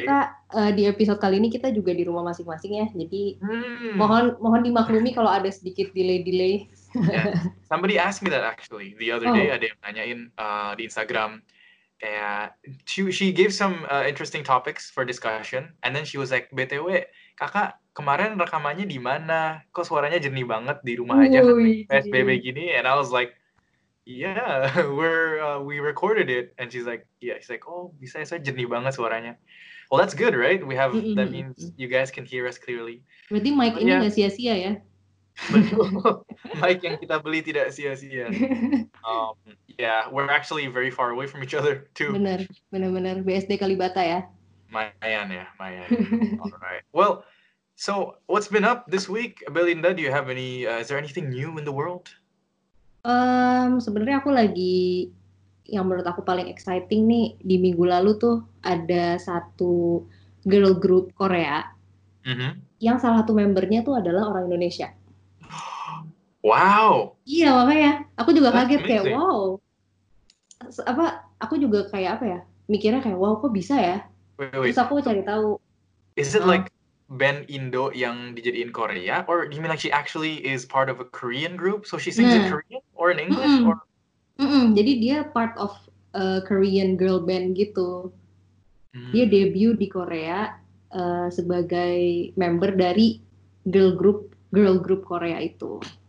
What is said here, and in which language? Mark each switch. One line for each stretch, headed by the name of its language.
Indonesian: Kita di episode kali ini kita juga di rumah masing-masing ya. Jadi mohon dimaklumi kalau ada sedikit delay. Yeah.
English: Somebody asked me that actually the other day.
Indonesian: Ada yang nanyain di Instagram, kayak
English: she gave some interesting topics for discussion, and then she was like, BTW,
Indonesian: kakak kemarin rekamannya di mana? Kok suaranya jernih banget di rumah aja PSBB gini?
English: And I was like, yeah, we recorded it. And she's like, yeah. She's like, oh,
Indonesian: bisa ya, saya jernih banget suaranya.
English: Well, that's good, right? We have that means you guys can hear us clearly.
Indonesian: Berarti mic ini nggak sia-sia ya? Mic yang kita beli tidak sia-sia.
English: Yeah, we're actually very far away from each other too.
Indonesian: Benar. BSD Kalibata ya.
English: Mayan. All right. Well, so what's been up this week, Belinda? Do you have any? Is there anything new in the world?
Indonesian: Sebenarnya aku lagi yang menurut aku paling exciting nih di minggu lalu tuh ada satu girl group Korea yang salah satu membernya tuh adalah orang Indonesia. Wow. Iya, makanya aku juga kaget kayak wow. Apa? Aku juga kayak apa ya? Mikirnya kayak wow, kok bisa ya?
English: Wait.
Indonesian: Terus aku cari tahu.
English: Is it like
Indonesian: band Indo yang dijadiin Korea,
English: or do you mean like she actually is part of a Korean group? So she sings in Korean or in English
Indonesian: Jadi dia
English: part of a Korean girl band
Indonesian: gitu. Dia debut di Korea sebagai member dari girl group Korea itu.